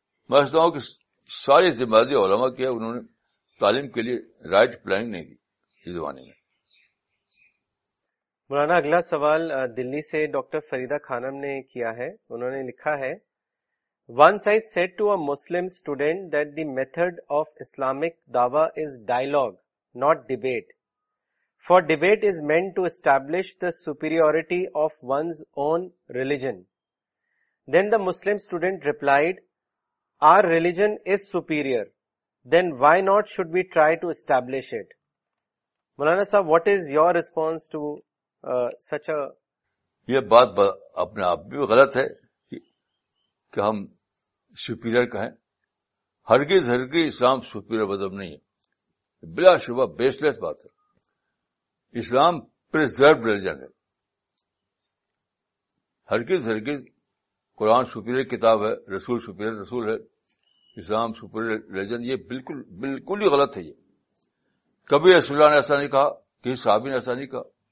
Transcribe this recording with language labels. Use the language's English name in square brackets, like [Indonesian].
[Urdu] میں سمجھتا ہوں کہ ساری ذمہ داری علماء کی ہے, انہوں نے تعلیم کے لیے رائٹ پلاننگ نہیں دی اس زمانے میں. مولانا اگلا سوال دلی سے ڈاکٹر فریدہ خانم نے کیا ہے. انہوں نے لکھا ہے, [English] Once I said to a Muslim student that the method of Islamic دعوی is dialogue not debate. For debate is meant to establish the superiority of one's own religion. Then the Muslim student replied, our religion is superior. Then why not should we try to establish it? Mulana sahab, what is your response to such a... [Urdu] یہ بات اپنے آپ بھی غلط ہے کہ ہم superior کہیں. ہرگز اسلام superior مذہب نہیں ہے, بلا شبہ بیس لیس بات ہے. اسلام پرزرو ریلیجن ہے, ہرگز قرآن سپیریئر کتاب ہے, رسول سپیریئر رسول ہے, اسلام سپیریئر ریلیجن, یہ بالکل ہی غلط ہے. یہ کبھی رسول اللہ نے ایسا نہیں کہا, کسی صحابی نے ایسا نہیں کہا.